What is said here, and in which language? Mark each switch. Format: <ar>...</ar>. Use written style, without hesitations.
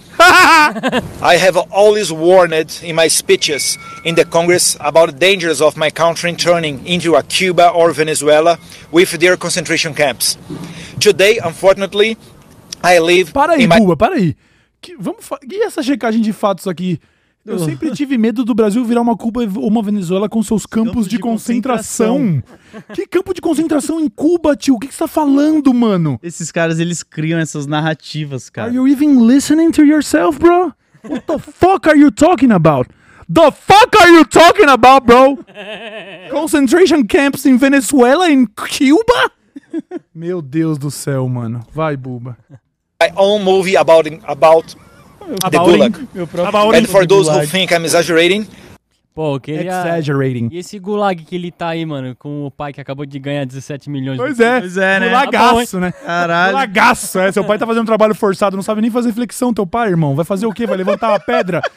<en>I have always warned in my speeches in the Congress about the dangers of my country turning into a Cuba or Venezuela with their concentration camps. Today, unfortunately, I live...</en> <pt>Para aí, Buba, para aí. E essa checagem de fatos aqui? Eu sempre tive medo do Brasil virar uma Cuba ou uma Venezuela com seus campos de concentração. Que campo de concentração em Cuba, tio? O que você tá falando, mano? Esses caras, eles criam essas narrativas, cara.</pt> <en>Are you even listening to yourself, bro? What the fuck are you talking about? The fuck are you talking about, bro? Concentration camps in Venezuela, in Cuba?</en> <pt>Meu Deus do céu, mano. Vai, Buba.</pt> <en>My own movie about... The gulag. And for those who think I'm exaggerating.</en> <pt>Pô, que ele</pt> <en>exaggerating.</en> <pt>E esse gulag que ele tá aí, mano, com o pai que acabou de ganhar 17 milhões. Pois é. Pois é, né? Gulagaço, né? Caralho. Gulagaço, é. Seu pai tá fazendo um trabalho forçado, não sabe nem fazer flexão, teu pai, irmão. Vai fazer o quê? Vai levantar a pedra?</pt>